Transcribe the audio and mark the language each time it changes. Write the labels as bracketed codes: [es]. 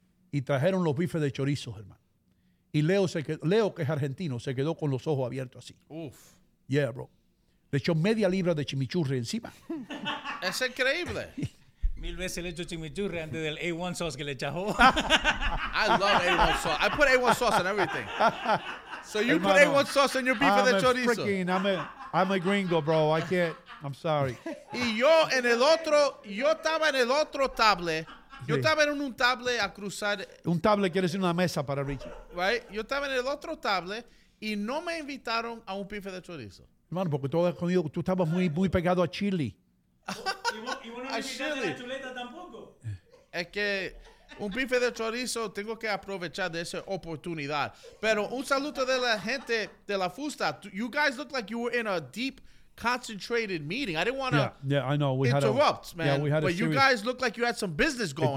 [es] Y trajeron los bifes de chorizo, hermano. Y Leo, que es argentino, se quedó con los ojos abiertos así. Uf. [en] Yeah, bro. [es] Le echó media libra de chimichurri encima. Es increíble. Mil veces le echó chimichurri antes del A1 sauce que le echó. [en] I love A1 sauce. I put A1 sauce on everything. So you, hermano, put A1 sauce on your beef and the chorizo. I'm a gringo, bro. I can't. I'm sorry. [es] Y yo en el otro, yo estaba en el otro table. Yo estaba en un table a cruzar. Un table quiere decir una mesa para Richie. [en] Right? [es] Yo estaba en el otro table y no me invitaron a un bife de chorizo. Hermano, porque todo escondido. Tú estabas muy, muy pegado a chili. ¿Y vos no invitaste a la chuleta tampoco? Es que un bife de chorizo, tengo que aprovechar de esa oportunidad. Pero un saludo de la gente de la Fusta. [en] You guys look like you were in a deep, concentrated meeting. I didn't want to interrupt, man. Yeah, we had you guys look like you had some business going on.